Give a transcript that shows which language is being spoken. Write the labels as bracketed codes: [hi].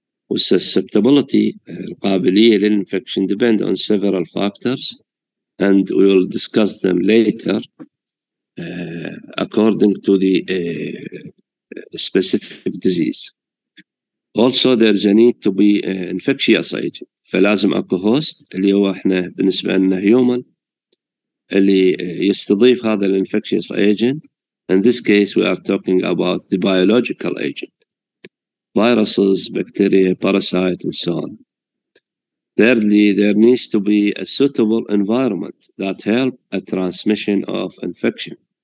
[en] والsusceptibility [ar] القابلية للانفكشن [en] depend on several factors and we will discuss them later according to the specific disease. Also there is a need to be infectious agent. [ar] فلازم أكو هوست اللي هو إحنا بالنسبة لنا هيومن اللي يستضيف هذا الانفكشيس ايجنت. [en] In this case we are talking about the biological agent, viruses, bacteria, parasite and so on. Thirdly, there needs to be a suitable environment that help a transmission of infection.